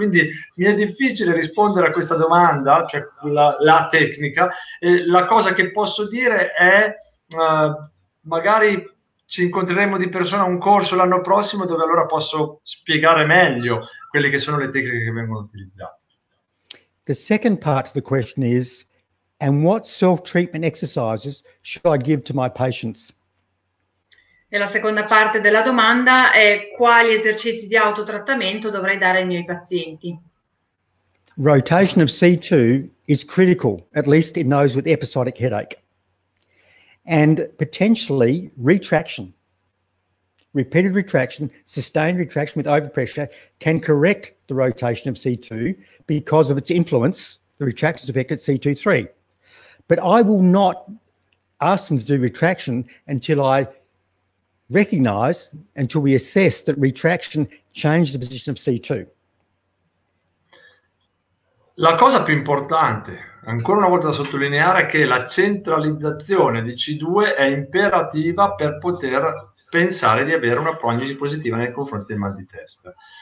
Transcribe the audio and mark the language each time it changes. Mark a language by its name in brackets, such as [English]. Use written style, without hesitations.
[Italian] Quindi mi è difficile rispondere a questa domanda, cioè la tecnica. La cosa che posso dire è magari ci incontreremo di persona a un corso l'anno prossimo, dove allora posso spiegare meglio quelle che sono le tecniche che vengono utilizzate. [English] The second part of the question is, and what self-treatment exercises should I give to my patients? [Italian] E la seconda parte della domanda è: quali esercizi di autotrattamento dovrei dare ai miei pazienti? [English] Rotation of C2 is critical, at least in those with episodic headache. And potentially retraction. Repeated retraction, sustained retraction with overpressure can correct the rotation of C2 because of its influence, the retraction's effect at C2-3. But I will not ask them to do retraction until I recognize, until we assess, that retraction changes the position of C2. [Italian] La cosa più importante, ancora una volta da sottolineare, è che la centralizzazione di C2 è imperativa per poter pensare di avere una prognosi positiva nei confronti del mal di testa.